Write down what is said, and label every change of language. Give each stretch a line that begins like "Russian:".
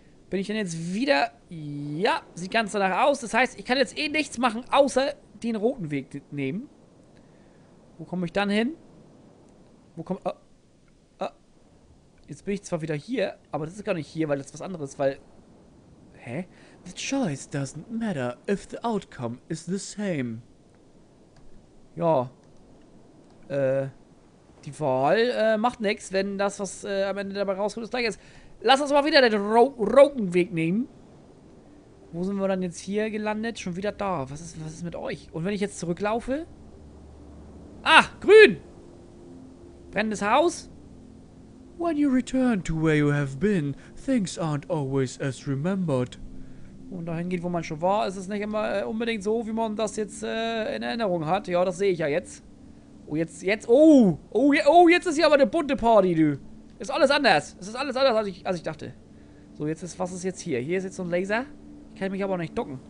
German: Bin ich denn jetzt wieder... Ja, sieht ganz danach aus. Das heißt, ich kann jetzt eh nichts machen, außer den roten Weg nehmen. Wo komme ich dann hin? Wo komme... Jetzt bin ich zwar wieder hier, aber das ist gar nicht hier, weil das ist was anderes, weil... Hä?
English: The choice doesn't matter if the outcome is the same.
German: Ja, die Wahl macht nichts, wenn das, was am Ende dabei rauskommt, das gleiche ist. Lass uns mal wieder den roten Weg nehmen. Wo sind wir dann jetzt hier gelandet? Schon wieder da. Was ist mit euch? Und wenn ich jetzt zurücklaufe? Ah, grün! Brennendes Haus.
English: When you return to where you have been, things aren't always as remembered.
German: Und dahin geht, wo man schon war, ist es nicht immer unbedingt so, wie man das jetzt in Erinnerung hat. Ja, das sehe ich ja jetzt. Oh, jetzt, oh! Oh, jetzt ist hier aber eine bunte Party, du. Ist alles anders. Es ist alles anders, als ich dachte. So, jetzt ist, was ist jetzt hier? Hier ist jetzt so ein Laser. Ich kann mich aber auch nicht docken.